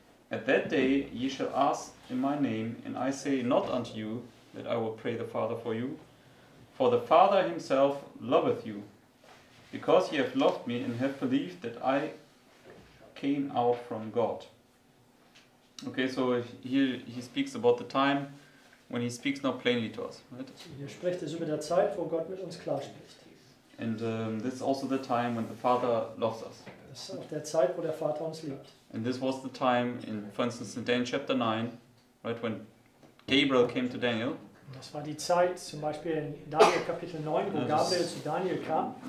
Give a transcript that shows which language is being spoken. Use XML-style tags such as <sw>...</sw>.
<en>At that day ye shall ask in my name, and I say not unto you that I will pray the Father for you, for the Father himself loveth you, because ye have loved me and have believed that I came out from God. Okay, so here he speaks about the time when he speaks not plainly to us, right?</en> <de>Er spricht es über der Zeit, wo Gott mit uns klar spricht.</de> <en>And this is also the time when the Father loves us.</en> <de>Das ist auch der Zeit, wo der Vater uns liebt.</de> <en>And this was the time in, for instance, in Daniel chapter 9, right, when Gabriel came to Daniel.</en> <de>Und das war die Zeit, zum Beispiel in Daniel Kapitel 9, wo Gabriel zu Daniel kam.</de>